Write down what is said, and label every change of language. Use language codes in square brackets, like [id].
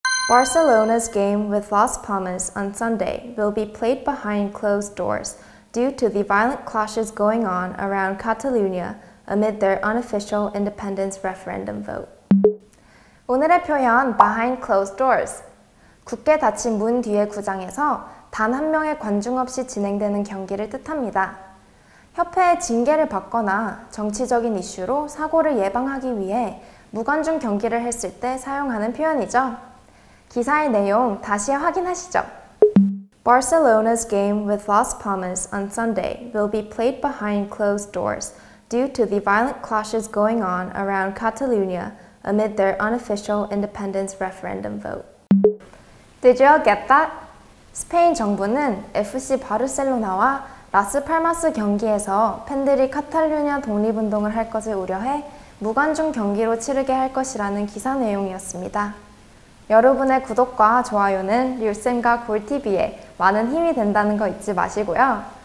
[en] 바르셀로나's game with Las Palmas on Sunday will be played behind closed doors due to the violent clashes going on around Catalonia amid their unofficial independence referendum vote. [ko] 오늘의 표현, behind closed doors. 굳게 닫힌 문 뒤의 구장에서 단 한 명의 관중 없이 진행되는 경기를 뜻합니다. 협회의 징계를 받거나 정치적인 이슈로 사고를 예방하기 위해 무관중 경기를 했을 때 사용하는 표현이죠. 기사의 내용 다시 확인하시죠. [en] Barcelona's game with Las Palmas on Sunday will be played behind closed doors due to the violent clashes going on around Catalonia amid their unofficial independence referendum vote. Did you all get that? [ko] 스페인 정부는 FC 바르셀로나와 라스팔마스 경기에서 팬들이 카탈루냐 독립운동을 할 것을 우려해 무관중 경기로 치르게 할 것이라는 기사 내용이었습니다. 여러분의 구독과 좋아요는 류쌤과 골TV에 많은 힘이 된다는 거 잊지 마시고요.